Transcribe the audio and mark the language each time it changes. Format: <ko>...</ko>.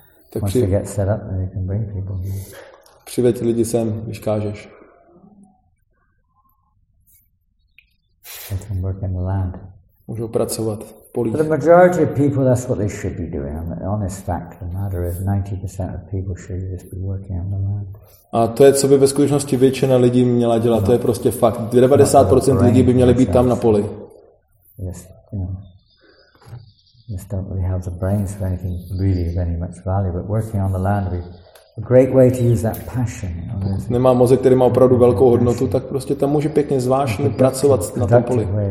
<cs>Tak</cs> <en>once they get set up, then you can bring people here.</en> <cs>Přiveď lidi sem, když kážeš.</cs> <en>They can work in the land.</en> <cs>Můžou pracovat v polích.</cs> <en>For the majority of people, that's what they should be doing. The honest fact of the matter is 90% of people should just be working on the land.</en> <cs>A to je, co by ve skutečnosti většina lidí měla dělat, to je prostě fakt. 90% lidí by měli být tam na poli.</cs> <en>Yes, you know. Just don't really have the brains for anything really of any much value, but working on the land would be a great way to use that passion.</en> <cs>Nemá mozek, který má opravdu velkou hodnotu, tak prostě tam může pěkně zvláštně pracovat na tom poli.</cs>